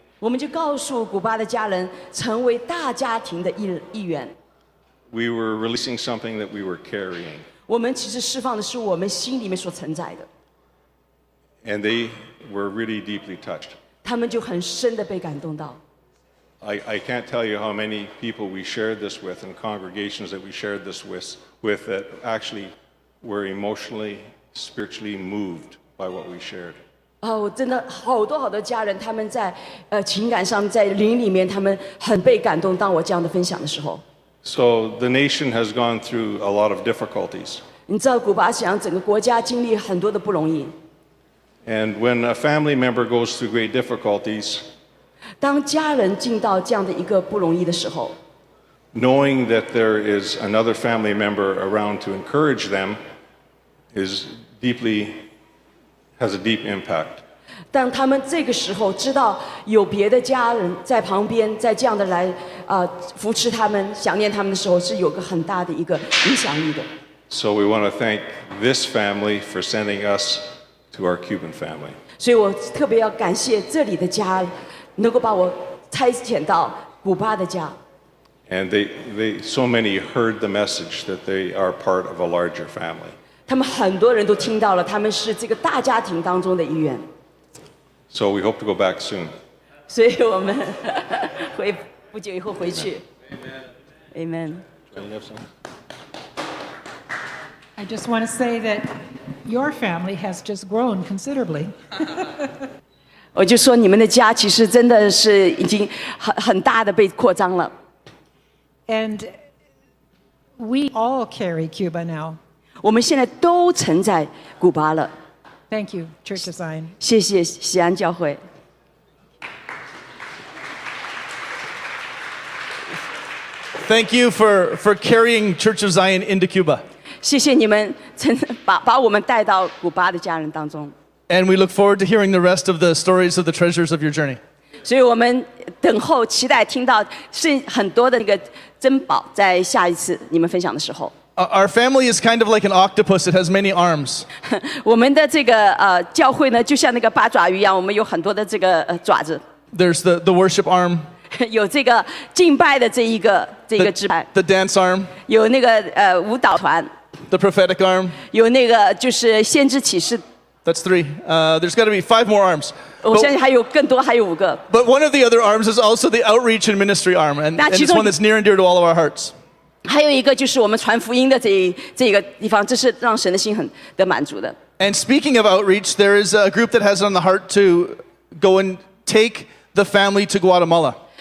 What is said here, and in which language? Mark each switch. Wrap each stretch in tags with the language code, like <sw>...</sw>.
<zh>我们就告诉古巴的家人成为大家庭的一员。</zh> <en>We were releasing something that we were carrying.</en> <zh>我们其实释放的是我们心里面所承载的。</zh> <en>And they were really deeply touched.</en> <zh>他们就很深的被感动到。</zh> <en>I can't tell you how many people we shared this with and congregations that we shared this with that actually were emotionally, spiritually moved by what we shared.</en> <zh>Oh, 真的好多好多家人他们在情感上在灵里面他们很被感动当我这样的分享的时候。</zh> <en>So the nation has gone through a lot of difficulties.</en> <zh>你知道古巴想整个国家经历很多的不容易。</zh> <en>And when a family member goes through great difficulties,</en> <zh>当家人进到这样的一个不容易的时候</zh> <en>，knowing that there is another family member around to encourage them is deeply has a deep impact.</en> <zh>当他们这个时候知道有别的家人在旁边，在这样的来扶持他们、想念他们的时候，是有个很大的一个影响力的。</zh> <en>So we want to thank this family for sending us to our Cuban family.</en> <zh>所以我特别要感谢这里的家。能够把我差遣到古巴的家。</zh> <en>And they so many heard the message that they are part of a larger family.</en> <zh>他们很多人都听到了，他们是这个大家庭当中的一员。</zh> <en>So we hope to go back soon.</en> <zh>所以我们会不久以后回去。</zh> <en>Amen. Amen. I just want to say that your family has just grown considerably.</en> <zh>我就说你们的家其实真的是已经很大的被扩张了。</zh> <en>And we all carry Cuba now.</en> <zh>我们现在都承载古巴了。</zh> <en>Thank you, Church of Zion.</en> <zh>谢谢锡安教会。</zh> <en>Thank you for carrying Church of Zion into Cuba.</en> <zh>谢谢你们把我们带到古巴的家人当中。</zh> <en>And we look forward to hearing the rest of the stories of the treasures of your journey.</en> <zh>所以我们等候期待听到很多的那个珍宝在下一次你们分享的时候。</zh> <en>Our family is kind of like an octopus. It has many arms.</en> <zh>我们的这个, 教会呢, 就像那个八爪鱼一样, 我们有很多的这个, 爪子。</zh> <en>There's the worship arm.</en> <zh>有这个敬拜的这一个, 这一个支派。</zh> <en>The dance arm.</en> <zh>有那个, 舞蹈团。</zh> <en>The prophetic arm.</en> <zh>有那个就是先知启示。</zh> <en>That's three. There's got to be five more arms. But one of the other arms is also the outreach and ministry arm, and it's one that's near and dear to all of our hearts.</en> <zh>还有一个就是我们传福音的这一个地方，这是让神的心很得满足的。</zh> <en>And speaking of outreach, there is a group that has it on the heart to go and take the family to Guatemala.</en>